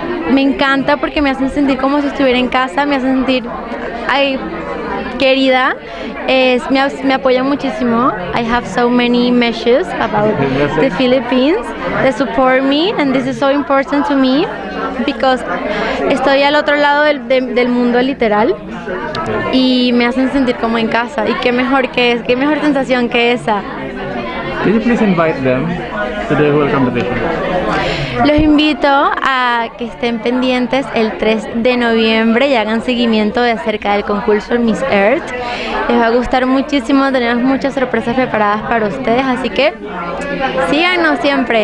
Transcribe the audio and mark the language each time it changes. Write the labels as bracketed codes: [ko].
[es] Me encanta porque me hacen sentir como si estuviera en casa, me hacen sentir ay, querida. Me apoyan muchísimo. [en] I have so many messages about the Philippines. They support me, and this is so important to me. Because [es] estoy al otro lado del mundo literal y me hacen sentir como en casa y qué mejor sensación que esa. [en] Can you please invite them to the whole competition? [es] Los invito a que estén pendientes el 3 de noviembre y hagan seguimiento de acerca del concurso Miss Earth. Les va a gustar muchísimo, tenemos muchas sorpresas preparadas para ustedes, así que síganos siempre.